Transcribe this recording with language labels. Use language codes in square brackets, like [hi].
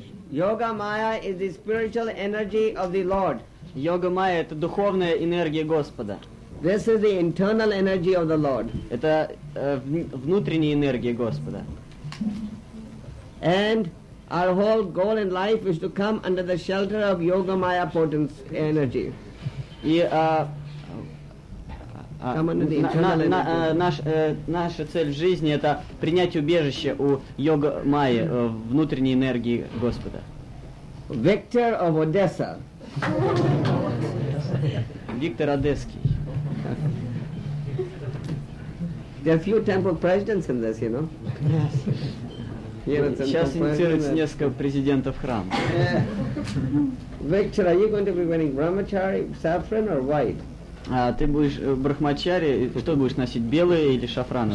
[en] Yoga Maya is the spiritual energy of the Lord. [ru] Yoga Maya – это духовная энергия Господа. [en] This is the internal energy of the Lord. [ru] Это внутренняя энергия Господа. [en] And our whole goal in life is to come under the shelter of Yoga Maya potent energy. [ru] Наша цель в жизни – это принять убежище у Йога Майи, внутренней энергии Господа. [en] Виктор of Одесса. [ru] Виктор Одесский. [en] There are few temple presidents in this, you know. Yes. [ru] Сейчас инициируется несколько президентов храма. [en] Виктор, are you going to be wearing brahmachari, saffron or white? [ru] А ты будешь в брахмачаре, что будешь носить, белые или шафраны?